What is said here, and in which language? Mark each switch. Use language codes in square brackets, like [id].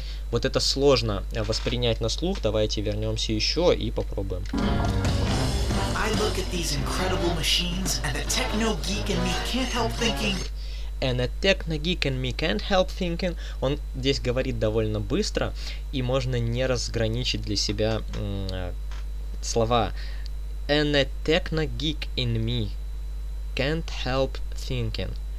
[ru] Вот это сложно воспринять на слух. Давайте вернемся еще и попробуем. [en] I look at these incredible machines, and a techno geek in me can't help thinking. And a techno geek in me can't help thinking. [ru] Он здесь говорит довольно быстро, и можно не разграничить для себя слова. [en] And a techno geek in me can't help thinking.